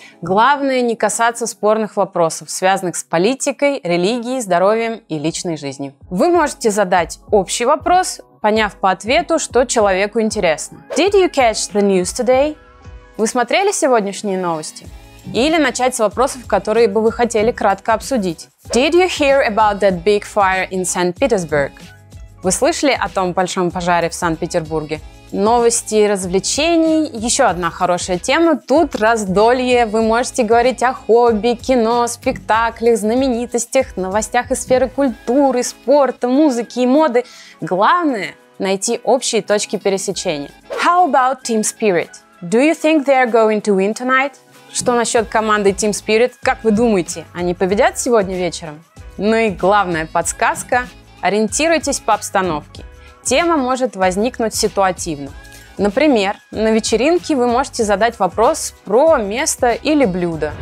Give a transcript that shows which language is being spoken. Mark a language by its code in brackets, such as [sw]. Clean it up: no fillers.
[ru] Главное не касаться спорных вопросов, связанных с политикой, религией, здоровьем и личной жизнью. Вы можете задать общий вопрос, поняв по ответу, что человеку интересно. [en] Did you catch the news today? [ru] Вы смотрели сегодняшние новости? Или начать с вопросов, которые бы вы хотели кратко обсудить. [en] Did you hear about that big fire in St. Petersburg? [ru] Вы слышали о том большом пожаре в Санкт-Петербурге? Новости развлечений – еще одна хорошая тема. Тут раздолье. Вы можете говорить о хобби, кино, спектаклях, знаменитостях, новостях из сферы культуры, спорта, музыки и моды. Главное – найти общие точки пересечения. [en] How about Team Spirit? Do you think they are going to win tonight? [ru] Что насчет команды Team Spirit? Как вы думаете, они победят сегодня вечером? Ну и главная подсказка – ориентируйтесь по обстановке. Тема может возникнуть ситуативно. Например, на вечеринке вы можете задать вопрос про место или блюдо.